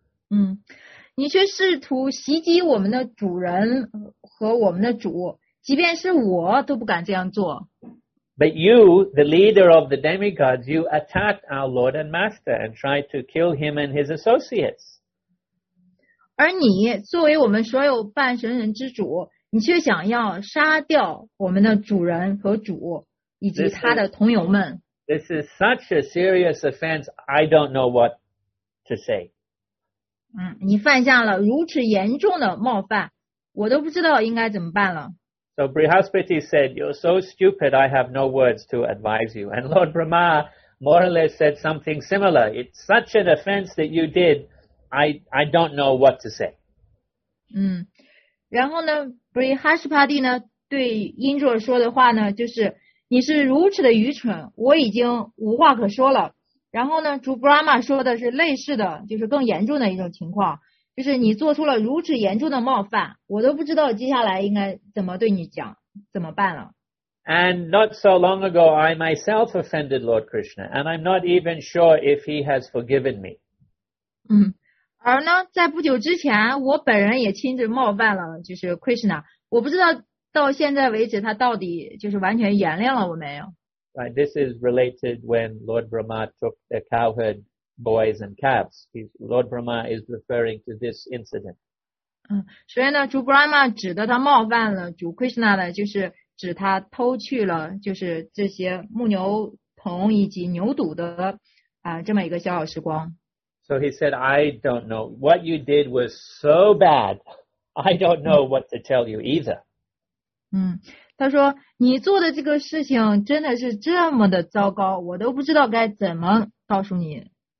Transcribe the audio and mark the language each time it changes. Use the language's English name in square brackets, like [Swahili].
[Chinese] 嗯，你却试图袭击我们的主人和我们的主，即便是我都不敢这样做。 [English] But you, the leader of the demigods, you attacked our Lord and Master and tried to kill him and his associates. [Chinese] 而你作为我们所有半神人之主，你却想要杀掉我们的主人和主以及他的同友们。 [English] This is such a serious offense. I don't know what to say. [Chinese] 嗯，你犯下了如此严重的冒犯，我都不知道应该怎么办了。 [English] So Brihaspati said, "You're so stupid. I have no words to advise you." And Lord Brahma more or less said something similar. It's such an offense that you did. I don't know what to say. [Chinese] 嗯，然后呢 ，Brihaspati 呢对 Indra 说的话呢，就是你是如此的愚蠢，我已经无话可说了。然后呢，主 Brahma 说的是类似的，就是更严重的一种情况，就是你做出了如此严重的冒犯，我都不知道接下来应该怎么对你讲，怎么办了。 [English] And not so long ago, I myself offended Lord Krishna, and I'm not even sure if he has forgiven me. [Chinese] 嗯，而呢，在不久之前，我本人也亲自冒犯了，就是 Krishna, 我不知道到现在为止他到底就是完全原谅了我没有。 [English] Right, this is related when Lord Brahma took the cowherd boys and calves. Lord Brahma is referring to this incident. [Chinese] 嗯，所以呢，主 Brahma 指的他冒犯了主 Krishna 的，就是指他偷去了就是这些牧牛童以及牛犊的这么一个小小时光。 [English] So he said, "I don't know what you did was so bad. I don't know what to tell you either." [Chinese] 嗯。他说你做的这个事情真的是这么的糟糕，我都不知道该怎么告诉你。